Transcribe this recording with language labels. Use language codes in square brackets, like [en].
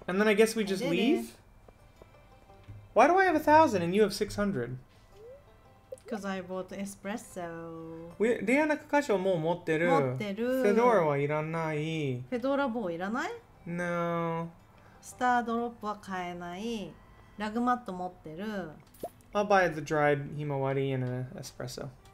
[en] And then I guess we just leave? Why do I have 1000 and you have 600? Because I bought espresso. [ja] ディアナカカシオもう持ってる。持ってる。フェドラはいらない。フェドラ棒いらない [en] ?No. [ja] スタードロップは買えない。ラグマット持ってる。 [en] I'll buy the dried himawari and an espresso.